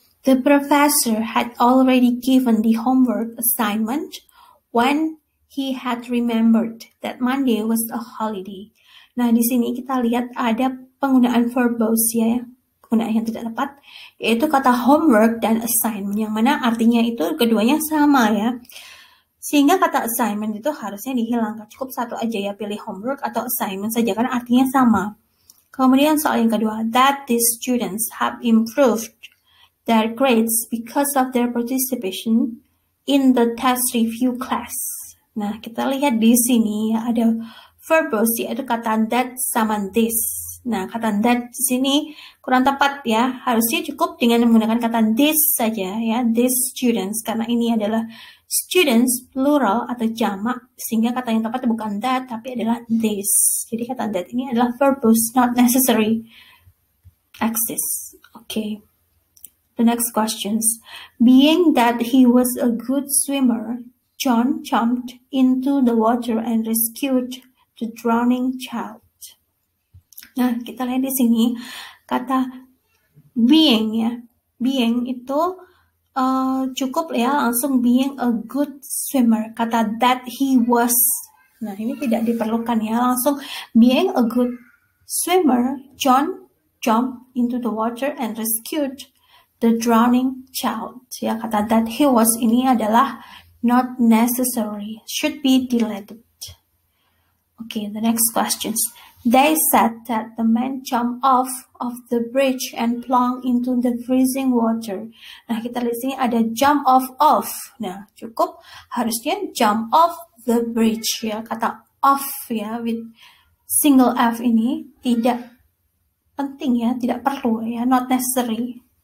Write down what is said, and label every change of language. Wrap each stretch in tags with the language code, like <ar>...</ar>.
<en>The professor had already given the homework assignment when he had remembered that Monday was a holiday.</en> <id>Nah, di sini kita lihat ada penggunaan verbose ya, penggunaan yang tidak tepat, yaitu kata homework dan assignment, yang mana artinya itu keduanya sama ya. Sehingga kata assignment itu harusnya dihilangkan. Cukup satu aja ya, pilih homework atau assignment saja, karena artinya sama. Kemudian soal yang kedua,</id> <en>that the students have improved their grades because of their participation in the test review class.</en> <id>Nah, kita lihat di sini ada verbose, yaitu kata that sama this. Nah, kata that di sini kurang tepat ya. Harusnya cukup dengan menggunakan kata this saja ya,</id> <en>this students.</en> <id>Karena ini adalah students plural atau jamak, sehingga kata yang tepat bukan that, tapi adalah this. Jadi, kata that ini adalah verbose,</id> <en>not necessary exists. Okay. The next questions. Being that he was a good swimmer, John jumped into the water and rescued the drowning child.</en> <id>Nah, kita lihat di sini kata being ya. Being itu cukup ya, langsung</id> <en>being a good swimmer.</en> <id>Kata</id> <en>that he was.</en> <id>Nah, ini tidak diperlukan ya. Langsung</id> <en>being a good swimmer, John jumped into the water and rescued the drowning child.</en> <id>Ya, kata</id> <en>that he was</en> <id>ini adalah</id> <en>not necessary. Should be deleted. Okay, the next questions. They said that the man jumped off of the bridge and plunged into the freezing water.</en> <id>Nah, kita lihat sini ada</id> <en>jump off of.</en> <id>Nah, cukup. Harusnya</id> <en>jump off the bridge.</en> <id>Ya, kata off ya,</id> <en>with single F</en> <id>ini tidak penting ya. Tidak perlu ya.</id> <en>Not necessary.</en>